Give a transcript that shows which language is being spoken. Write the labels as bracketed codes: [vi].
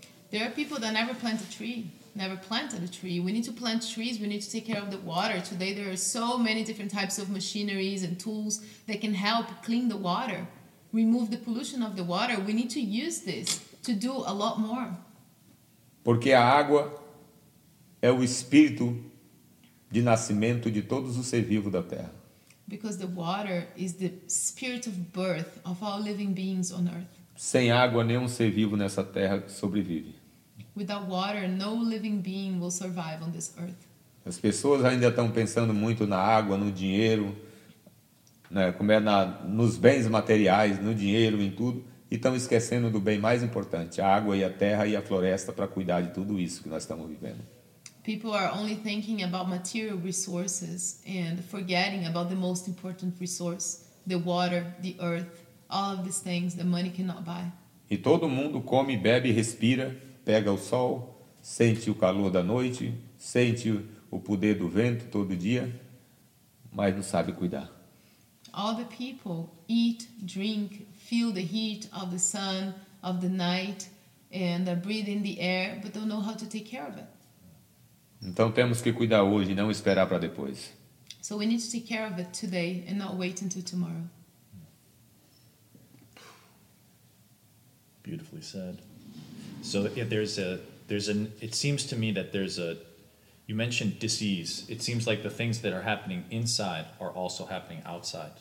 [en] There are people that never plant a tree, never planted a tree. We need to plant trees, we need to take care of the water. Today there are so many different types of machineries and tools that can help clean the water, remove the pollution of the water. We need to use this to do a lot more. [pt] Porque a água é o espírito de nascimento de todos os seres vivos da terra. [en] Because the water is the spirit of birth of all living beings on earth. [pt] Sem água, nenhum ser vivo nessa terra sobrevive. [en] Without water, no living being will survive on this earth. [pt] As pessoas ainda estão pensando muito na água, no dinheiro, né, como é na, nos bens materiais, no dinheiro, em tudo, e estão esquecendo do bem mais importante, a água e a terra e a floresta para cuidar de tudo isso que nós estamos vivendo. [en] People are only thinking about material resources and forgetting about the most important resource, the water, the earth, all of these things that money cannot buy. [pt] E todo mundo come, bebe, respira, pega o sol, sente o calor da noite, sente o poder do vento todo dia, mas não sabe cuidar. [en] All the people eat, drink, feel the heat of the sun, of the night, and are breathing the air, but don't know how to take care of it. [pt] Então temos que cuidar hoje e não esperar para depois. [en] So we need to take care of it today and not wait until tomorrow. Beautifully said. So yeah, there's an it seems to me that there's a, you mentioned disease. It seems like the things that are happening inside are also happening outside.